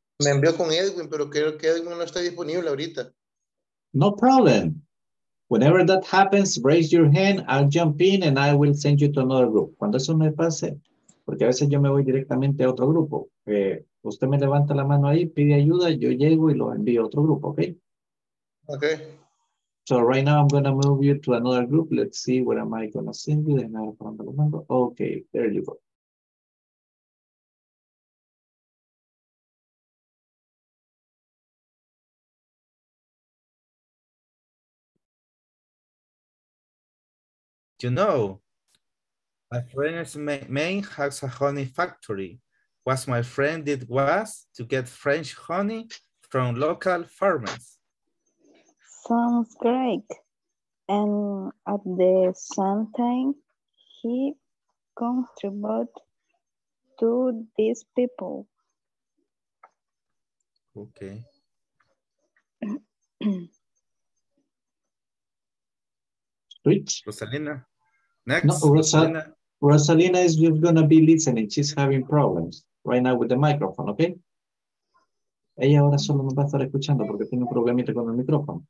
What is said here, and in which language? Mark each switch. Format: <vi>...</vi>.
<es>Me envió con Edwin, pero creo que Edwin no está disponible ahorita.</es> <en>No problem. Whenever that happens, raise your hand, I'll jump in, and I will send you to another group.</en> <es>Cuando eso me pase, porque a veces yo me voy directamente a otro grupo. Usted me levanta la mano ahí, pide ayuda, yo llego y lo envío a otro grupo, ¿ok? Ok.</es> <en>So right now I'm going to move you to another group. Let's see what am I going to send you. Then I'll put the number. Okay, there you go. You know, my friend's main has a honey factory. What my friend did was to get French honey from local farmers. Sounds great. And at the same time, he contributes to these people. Okay. Switch. Rosalina. Next. No, Rosalina is just going to be listening. She's having problems right now with the microphone, okay?</en> <es>Ella ahora solo nos va a estar escuchando porque tiene un problemita con el micrófono.</es>